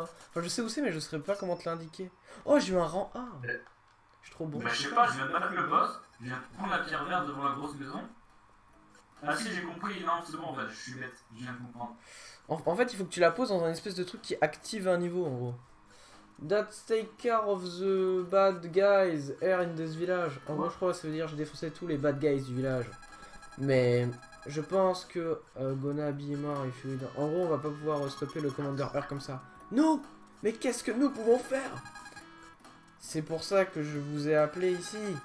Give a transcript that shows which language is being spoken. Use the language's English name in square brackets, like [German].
[French] Enfin, je sais où c'est, mais je saurais pas comment te l'indiquer. Oh, j'ai eu un rang 1. Je suis trop bon. Bah, je sais pas, je viens de battre le boss. Je viens de prendre la pierre verte devant la grosse maison. Ah, si, j'ai compris. Non, c'est bon, en fait, je suis bête. Je viens de comprendre. En fait, il faut que tu la poses dans un espèce de truc qui active un niveau en gros. [English] That take care of the bad guys here in this village. [French] En gros, je crois que ça veut dire j'ai défoncé tous les [English] bad guys [French] du village. Mais je pense que Gonabi est mort, il fuit. En gros, on va pas pouvoir stopper le commandeur R comme ça. Nous ! Mais qu'est-ce que nous pouvons faire ? C'est pour ça que je vous ai appelé ici.